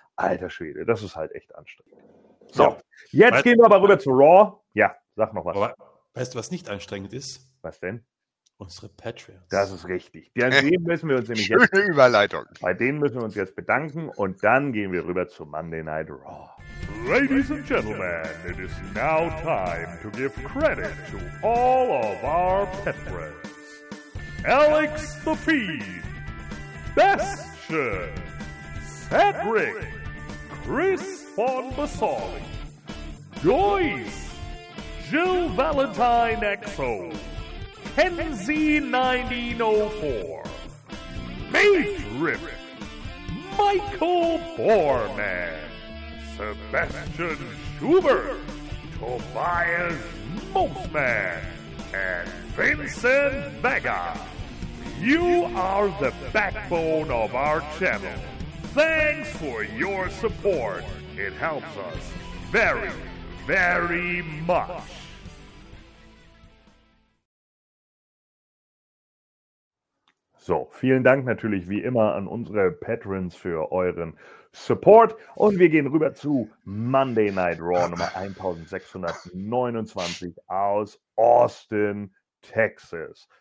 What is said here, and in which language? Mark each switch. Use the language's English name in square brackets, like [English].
[German] Alter Schwede, das ist halt echt anstrengend. So, ja. Jetzt gehen wir aber rüber zu Raw. Ja, sag noch was. Weißt du, was nicht anstrengend ist? Was denn? Unsere Patreons. Das ist richtig. An denen müssen wir uns nämlich schöne jetzt, Überleitung. Bei denen müssen wir uns jetzt bedanken und dann gehen wir rüber zu Monday Night Raw. [English] Ladies and gentlemen, it is now time to give credit to all of our patrons. Alex the Fiend, Bastion, Cedric, Chris von Basali, Joyce, Jill Valentine XO, Kenzie1904, Mage Rivet, Michael Borman, Sebastian Schubert, Tobias Mosman, and Vincent Vega. You are the backbone of our channel. Thanks for your support. It helps us very, very much. [German] So, vielen Dank natürlich wie immer an unsere Patrons für euren Support. Und wir gehen rüber zu Monday Night Raw Nummer 1629 aus Austin, Texas.